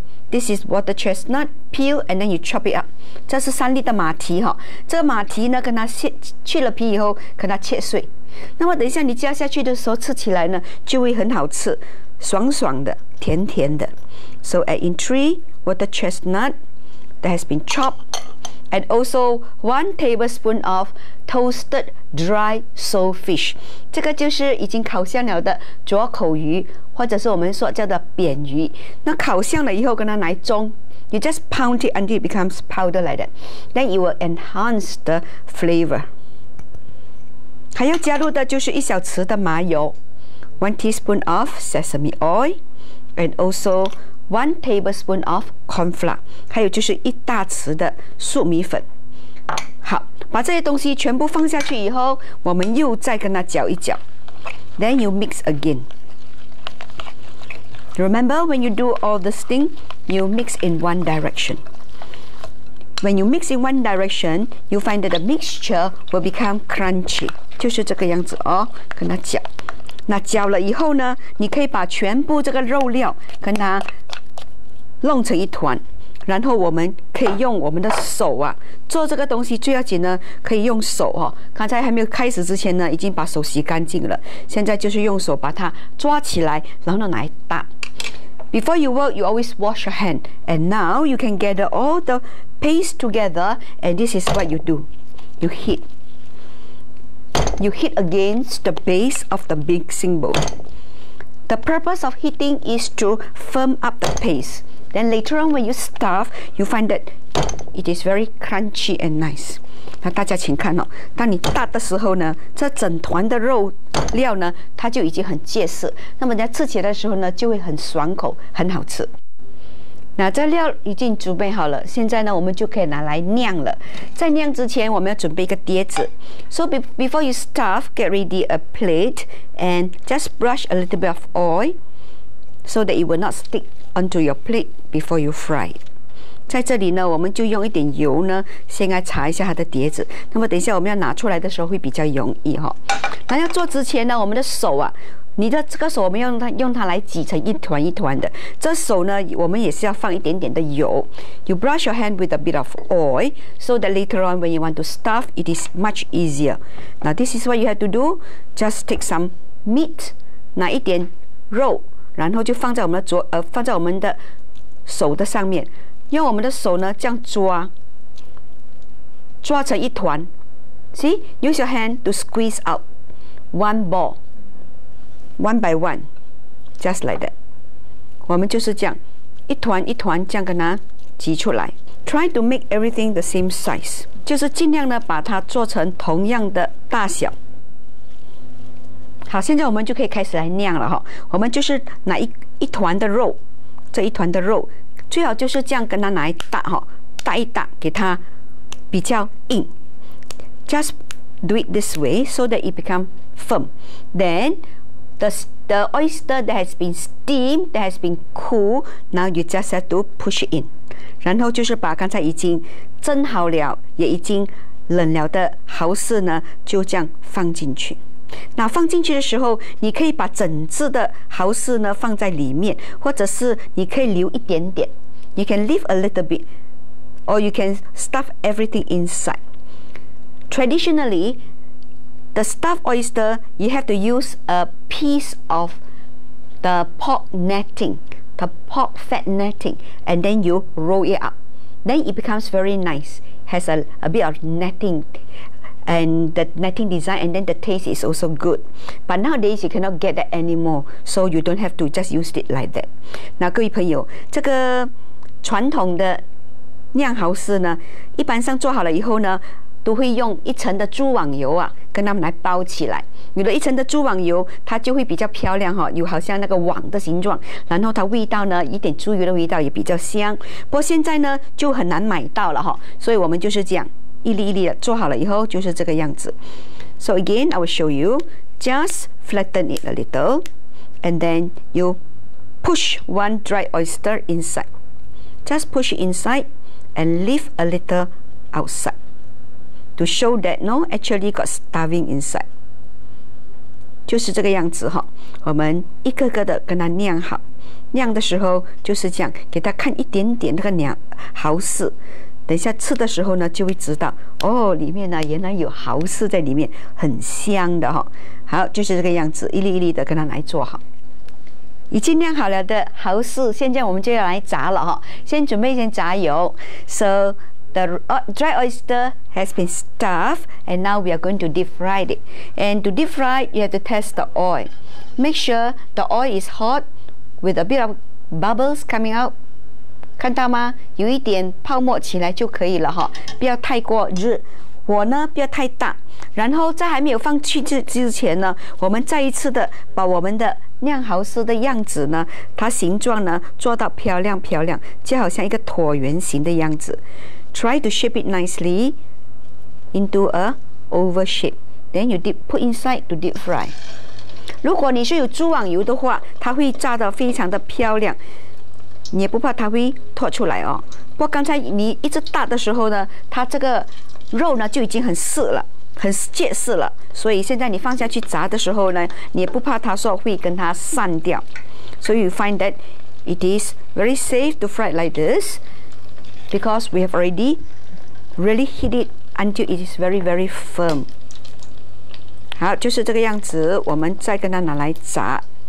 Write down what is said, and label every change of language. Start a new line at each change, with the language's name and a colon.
English: This is water chestnut peel, and then you chop it up.
Chinese: 这是三粒的马蹄哈，这个马蹄呢，跟它去了皮以后，跟它切碎。那么等一下你加下去的时候，吃起来呢，就会很好吃，爽爽的，甜甜的。
English: So add in 3 water chestnut that has been chopped, and also 1 tablespoon of toasted dry sole fish.
Chinese: 这个就是已经烤香了的灼口鱼。或者是我们说叫做扁鱼，那烤香了以后跟它来蒸
English: ，you just pound it until it becomes powder like that, then it will enhance the flavor.
Chinese: 还要加入的就是一小匙的麻油
English: ，one teaspoon of sesame oil, and also 1 tablespoon of corn flour.
Chinese: 还有就是一大匙的粟米粉。好，把这些东西全部放下去以后，我们又再跟它搅一搅 ，
English: then you mix again. Remember, when you do all this thing, you mix in one direction. When you mix in one direction, you find that the mixture will become crunchy.
Chinese: 就是这个样子哦，跟它搅。那搅了以后呢，你可以把全部这个肉料跟它弄成一团，然后我们可以用我们的手啊，做这个东西最要紧呢，可以用手哦。刚才还没有开始之前呢，已经把手洗干净了，现在就是用手把它抓起来，然后拿来打。
English: Before you work, you always wash your hand. And now you can gather all the paste together, and this is what you do. You heat. You heat against the base of the mixing bowl. The purpose of heating is to firm up the paste. Then later on when you stuff, you find that it is very crunchy and nice。
Chinese: 那大家请看哦，当你大的时候呢，这整团的肉料呢，它就已经很结实。那么人家吃起来的时候呢，就会很爽口，很好吃。那这料已经准备好了，现在呢，我们就可以拿来酿了。在酿之前，我们要准备一个碟子。
English: So before you start, get ready a plate and just brush a little bit of oil so that it will not stick onto your plate before you fry.
Chinese: 在这里呢，我们就用一点油呢，先来擦一下它的碟子。那么等一下我们要拿出来的时候会比较容易哈。那要做之前呢，我们的手啊，你的这个手我们用它来挤成一团一团的。这手呢，我们也是要放一点点的油。
English: You brush your hand with a bit of oil so that later on when you want to stuff, it is much easier. Now this is what you have to do. Just take some meat,
Chinese: 拿一点肉，然后就放在我们的手的上面。用我们的手呢，这样抓成一团。
English: See, use your hand to squeeze out one ball, one by one, just like that.
Chinese: 我们就是这样，一团一团这样跟它挤出来。
English: Try to make everything the same size,
Chinese: 就是尽量呢把它做成同样的大小。好，现在我们就可以开始来酿了哈。我们就是拿一团的肉，这一团的肉。最好就是这样跟它拿一大哈，大一大，给它比较硬。
English: Just do it this way so that it become firm. Then the oyster that has been steamed, that has been cool, now you just have to push it in.
Chinese: 然后就是把刚才已经蒸好了，也已经冷了的蚝豉呢，就这样放进去。那放进去的时候，你可以把整只的蚝豉呢放在里面，或者是你可以留一点点 ，
English: you can leave a little bit, or you can stuff everything inside. Traditionally, the stuffed oyster you have to use a piece of the pork netting, the pork fat netting, and then you roll it up. Then it becomes very nice, has a bit of netting. And the netting design, and then the taste is also good. But nowadays you cannot get that anymore, so you don't have to just use it like that.
Chinese: 那各位朋友，这个传统的酿蚝豉呢，一般上做好了以后呢，都会用一层的蛛网油啊，跟它们来包起来。有了一层的蛛网油，它就会比较漂亮哈，有好像那个网的形状。然后它味道呢，一点猪油的味道也比较香。不过现在呢，就很难买到了哈，所以我们就是这样。一粒一粒的做好了以后就是这个样子。
English: So again, I will show you. Just flatten it a little, and then you push one dry oyster inside. Just push it inside, and leave a little outside to show that no, actually got starving inside.
Chinese: 就是这个样子哈。我们一个个的跟它酿好，酿的时候就是这样，给它看一点点那个酿蚝豉。等一下吃的时候呢，就会知道哦，里面呢原来有蚝豉在里面，很香的哈、哦。好，就是这个样子，一粒一粒的跟它来做好。已经酿好了的蚝豉，现在我们就要来炸了哈、哦。先准备一些炸油。
English: So the dry oyster has been stuffed, and now we are going to deep fry it. And to deep fry, you have to test the oil. Make sure the oil is hot, with a bit of bubbles coming out.
Chinese: 看到吗？有一点泡沫起来就可以了哈，不要太过热，火呢不要太大。然后在还没有放去之前呢，我们再一次的把我们的酿蚝豉的样子呢，它形状呢做到漂亮漂亮，就好像一个椭圆形的样子。
English: Try to shape it nicely into a oval shape. Then you put inside to deep fry.
Chinese: 如果你是有蛛网油的话，它会炸得非常的漂亮。你也不怕它会脱出来哦。不过刚才你一直大的时候呢，它这个肉呢就已经很涩了，很结实了。所以现在你放下去炸的时候呢，你也不怕它说会跟它散掉。
English: So you find that it is very safe to fry like this because we have already really heat it until it is very, very firm.
Chinese: 好，就是这个样子，我们再跟它拿来炸。